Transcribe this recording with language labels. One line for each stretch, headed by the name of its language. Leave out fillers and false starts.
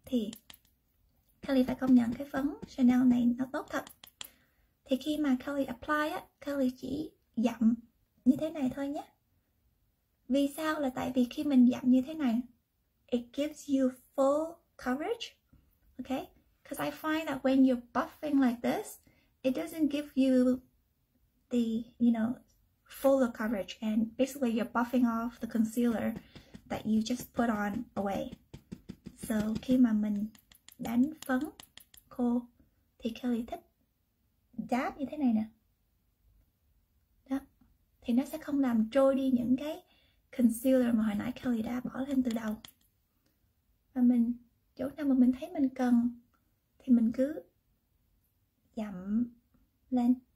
Vietnamese: Thì Kelly phải công nhận cái phấn Chanel này nó tốt thật. Thì khi mà Kelly apply á, Kelly chỉ dặm như thế này thôi nhé. Vì sao? Là tại vì khi mình dặm như thế này,
English: it gives you full coverage. Okay? Because I find that when you're buffing like this, it doesn't give you the, you know, fuller coverage, and basically you're buffing off the concealer that you just put on away.
Vietnamese: So khi mà mình đánh phấn khô thì Kelly thích dab như thế này nè. Đó. Thì nó sẽ không làm trôi đi những cái concealer mà hồi nãy Kelly đã bỏ lên từ đầu. Và mình, chỗ nào mà mình thấy mình cần thì mình cứ dặm lên.